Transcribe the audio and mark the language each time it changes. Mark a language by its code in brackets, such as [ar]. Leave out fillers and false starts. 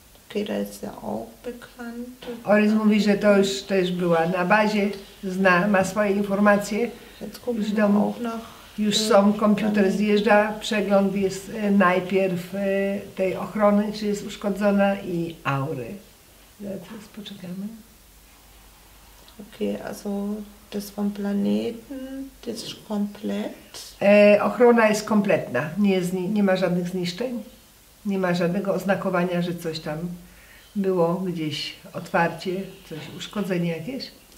[de] Okay, [pl] to jest [de] ja auch bekannt. [pl] Oryz mówi, że to już też była na bazie, zna, ma swoje informacje. Już w domu, już są, komputer zjeżdża, przegląd jest najpierw tej ochrony, czy jest uszkodzona i aury. Teraz poczekamy. [de] Okej, okay, also das vom Planeten, das ist komplett. [pl] Ochrona jest kompletna, nie ma żadnych zniszczeń, nie ma żadnego oznakowania, że coś tam było, gdzieś otwarcie, coś uszkodzenie jakieś.